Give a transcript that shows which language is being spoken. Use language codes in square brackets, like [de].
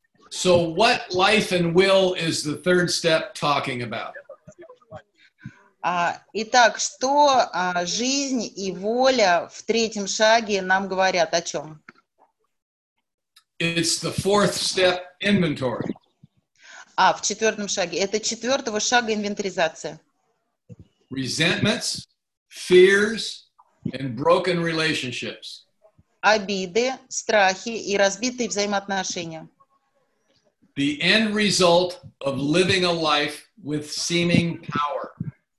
[en] So what life and will is the third step talking about? [ru] Итак, что жизнь и воля в третьем шаге нам говорят о чем? [en] It's the fourth step inventory. [ru] В четвертом шаге. Это четвертого шага инвентаризация. [en] Resentments, fears, and broken relationships. [ru] Обиды, страхи и разбитые взаимоотношения. [en] The end result of living a life with seeming power.